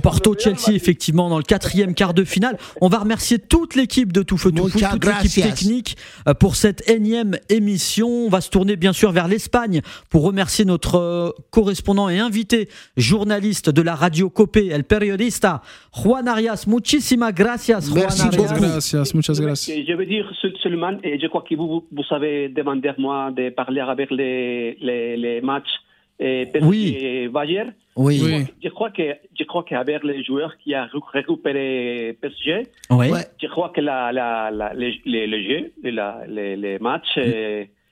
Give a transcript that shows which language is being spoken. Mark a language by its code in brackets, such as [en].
[fr] Porto-Chelsea, effectivement, dans le quatrième quart de finale. On va remercier toute l'équipe de Tout Feu Tout Foot, toute l'équipe technique pour cette énième émission. On va se tourner, bien sûr, vers l'Espagne pour remercier notre correspondant et invité journaliste de la radio Copé, El Periodista, Juan Arias. [es] Muchísimas gracias, Juan [fr] Merci [es] Arias. [fr] Beaucoup. [es] Gracias, muchas gracias. [fr] Je veux dire seulement, et je crois que vous savez demander moi de parler avec les matchs PSG oui. et Bayern. Oui. Je crois que avec les joueurs qui a récupéré PSG, oui. je crois que les jeux, les matchs, oui.